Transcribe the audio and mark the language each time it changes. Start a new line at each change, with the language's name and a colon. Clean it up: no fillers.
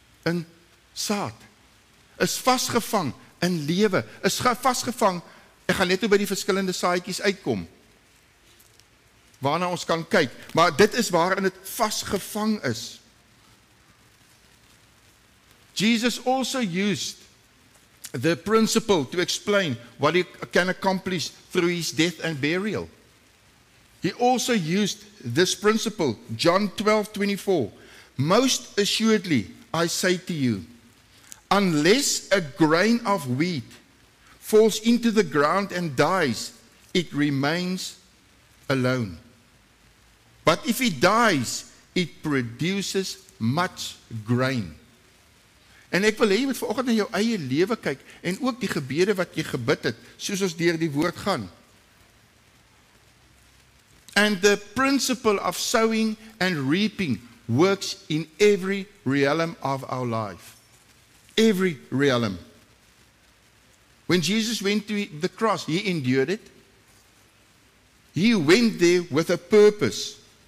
Afrikaans: in saad, is vasgevang in lewe, is vasgevang, ek gaan net oor by die verskillende saaitjies uitkom, waarna ons kan kyk, maar dit is waarin het vasgevang is.
English: Jesus also used the principle to explain what he can accomplish through his death and burial. He also used this principle, John 12:24. Most assuredly, I say to you, unless a grain of wheat falls into the ground and dies, it remains alone. But if it dies, it produces much grain.
Afrikaans: En ek wil hê jy moet vanoggend na jou eie lewe kyk en ook die gebede wat jy gebid het, soos ons deur die woord gaan.
English: And the principle of sowing and reaping works in every realm of our life. Every realm. When Jesus went to the cross, he endured it. He went there with a purpose.